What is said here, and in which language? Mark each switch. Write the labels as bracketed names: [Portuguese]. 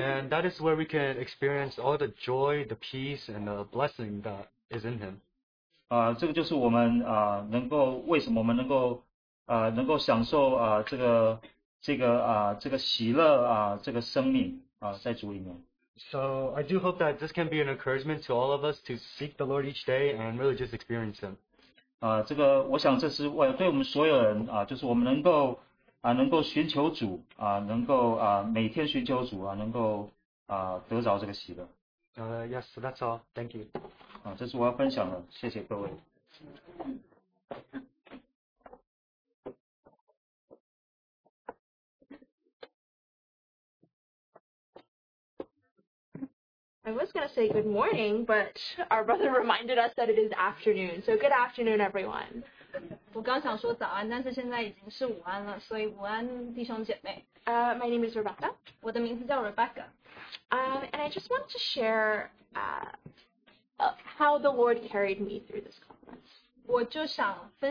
[English] that is where we can experience all the joy, the peace, and the blessing that is in Him. [Chinese] 这个就是我们能够享受这个喜乐，这个生命，在主里面。 [English] So I do hope that this can be an encouragement to all of us to seek the Lord each day and really just experience Him. [Chinese] 这个我想这是对我们所有人，就是我们能够寻求主，能够每天寻求主，能够得着这个喜乐。 [English] Yes, so that's all. Thank you. [Chinese] 这是我要分享的，谢谢各位。 [English] I was going to say good morning, but our brother reminded us that it is afternoon. So good afternoon, everyone. [Chinese] 我刚想说早安，但是现在已经是午安了，所以午安，弟兄姐妹。 [English] My name is Rebecca. [Chinese] 我的名字叫 Rebecca. [English] And I just want to share how the Lord carried me through this conference.